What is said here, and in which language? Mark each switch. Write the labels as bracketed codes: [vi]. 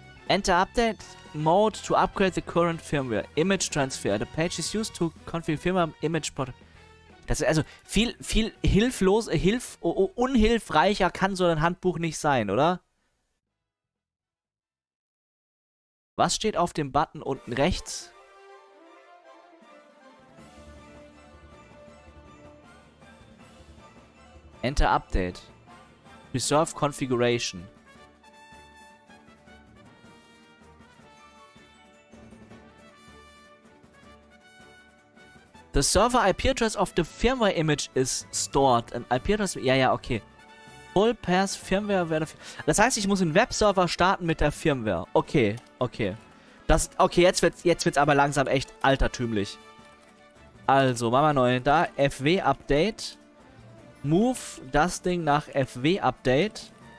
[en] Enter update mode to upgrade the current firmware. Image transfer. The page is used to configure firmware image port. [de] Das ist also viel hilflos, unhilfreicher kann so ein Handbuch nicht sein, oder? Was steht auf dem Button unten rechts? [en] Enter Update. Preserve Configuration. The server IP address of the firmware image is stored. An IP address... [de] Ja, okay. Full Pass Firmware werde. Das heißt, ich muss einen Webserver starten mit der Firmware. Okay, okay. Das, okay, jetzt wird's aber langsam echt altertümlich. Also, machen wir neu. Da, FW Update. Move das Ding nach FW Update.